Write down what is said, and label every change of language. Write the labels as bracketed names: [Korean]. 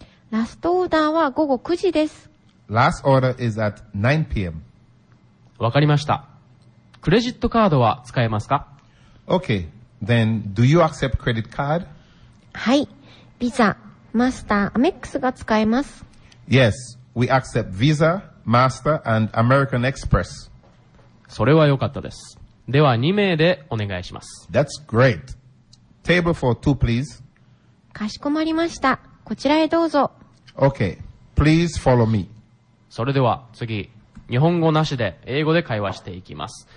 [Japanese] ラストオーダーは午後9時です。 [English] Last order is at 9 p.m. [Japanese] わかりました。クレジットカードは使えますか? [English] Okay, then do you accept credit card? [Japanese] はい、ビザ。マスター、アメックスが使えます。 [English] Yes, we accept Visa, Master, and American Express. [Japanese] それは良かったです。では、2名でお願いします。 [English] That's great. Table for two, please. [Japanese] かしこまりました。こちらへどうぞ。 [English] Okay, please follow me. [Japanese] それでは、次、日本語なしで英語で会話していきます。